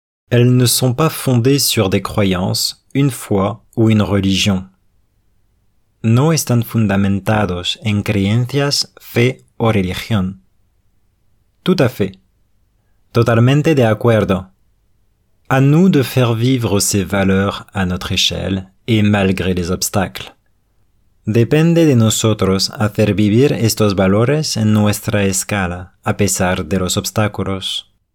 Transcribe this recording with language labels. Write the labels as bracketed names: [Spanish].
[French] Elles ne sont pas fondées sur des croyances, une foi ou une religion. [Spanish] No están fundamentados en creencias, fe o religión. [French] Tout à fait. [Spanish] Totalmente de acuerdo. [French] À nous de faire vivre ces valeurs à notre échelle et malgré les obstacles. [Spanish] Depende de nosotros hacer vivir estos valores en nuestra escala, a pesar de los obstáculos.